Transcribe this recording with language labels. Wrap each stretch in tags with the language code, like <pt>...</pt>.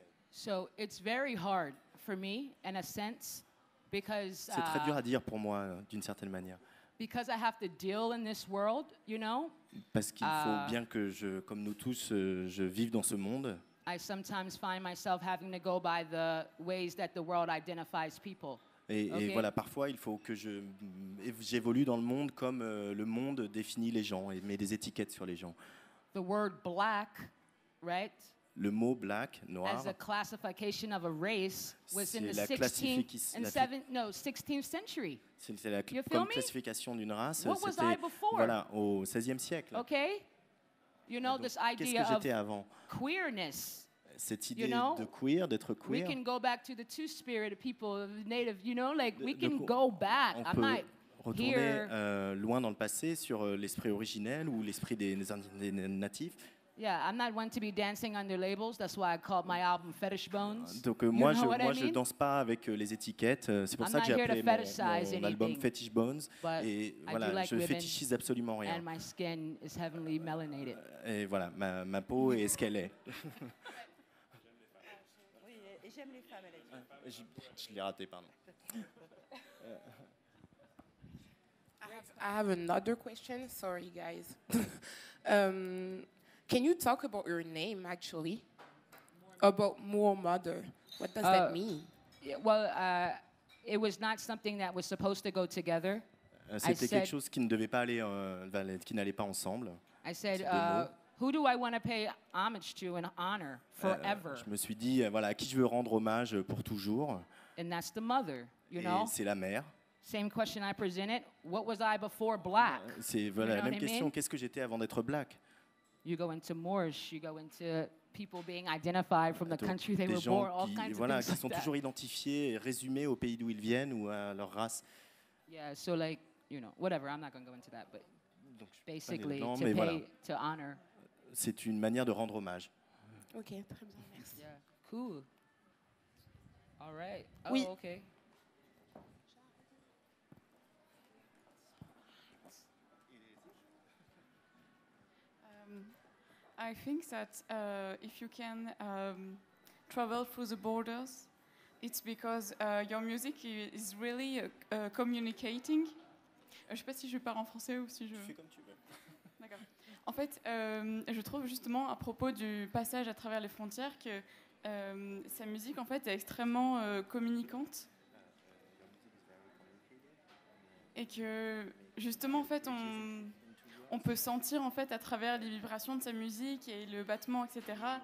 <en>So it's very hard for me, in a sense, because</en> <fr>c'est très dur à dire pour moi, d'une certaine manière.</fr> <en>Because I have to deal in this world, you know.</en> <fr>Parce qu'il faut bien que je, comme nous tous, je vive dans ce monde.</fr> <en>I sometimes find myself having to go by the ways that the world identifies people.</en> <fr>Et voilà, parfois il faut que j'évolue dans le monde comme le monde définit les gens et met des étiquettes sur les gens.</fr> <en>The word black, right?</en> <fr>Le mot black, noir,</fr> <en>as a classification of a race, was in the 16th century.</en> <fr>C'est la classification d'une race.</fr> <en>What was I before?</en> <fr>Voilà, au 16e siècle.</fr> <en>Okay? You know,</en> <fr>donc,</fr> <en>this idea</en> <fr>qu'est-ce que j'étais avant?</fr> <en>Queerness.</en> <fr>Cette idée,</fr> <en>you know,</en> <fr>de queer, d'être queer.</fr> <en>We can go back to the two-spirit of people, native, you know, like we can go back.</en> <fr>On peut retourner loin dans le passé sur l'esprit originel ou l'esprit des natifs.</fr> <en>Yeah, I'm not one to be dancing under labels. That's why I called my album Fetish Bones.</en> <fr>Donc moi je danse pas avec les étiquettes. C'est pour</fr> <en>I'm</en> <fr>ça que j'ai appelé mon album Fetish Bones. Et voilà,</fr> <en>like</en> <fr>je fétichise absolument rien.</fr> <en>And my skin is heavenly melanated.</en> <fr>Et voilà, ma peau est ce qu'elle est. Oui, et j'aime les femmes, elle a dit. Je l'ai raté, pardon.</fr> <en>I have another question. Sorry, guys. Can you talk about your name, actually? About Moor Mother. What does that mean? Well, it was not something that was supposed to go together.</en> <fr>C'était quelque chose qui ne devait pas aller, qui n'allait pas ensemble.</fr> <en>I said, who do I want to pay homage to and honor forever?</en> <fr>Je me suis dit, voilà, à qui je veux rendre hommage pour toujours.</fr> <en>And that's the mother, you</en> <fr>et</fr> <en>know?</en> <fr>C'est la mère.</fr> <en>Same question I presented. What was I before black?</en> <fr>C'est voilà, la même question. Qu'est-ce que j'étais avant d'être black?</fr> <en>You go into Moorish, you go into people being identified from the country they were born, all kinds of things.</en> <fr>Voilà, qui sont toujours identifiés et résumés au pays d'où ils viennent ou à leur race.</fr> <en>Yeah, so like, you know, whatever, I'm not going to go into that, but</en> <fr>donc,</fr> <en>basically</en> <fr>dedans,</fr> <en>to pay,</en> <fr>voilà,</fr> <en>to honor.</en> <fr>C'est une manière de rendre hommage. OK, très bien, merci.</fr> <en>Yeah, cool. All right. Oh,</en> <fr>oui. OK.</fr> <en>I think that if you can travel through the borders, it's because your music is really communicating.</en> <fr>Je ne sais pas si je pars en français ou si je... Tu fais comme tu veux. D'accord. En fait, je trouve justement à propos du passage à travers les frontières que sa musique en fait est extrêmement communicante. Et que justement en fait on peut sentir en fait à travers les vibrations de sa musique et le battement, etc.</fr>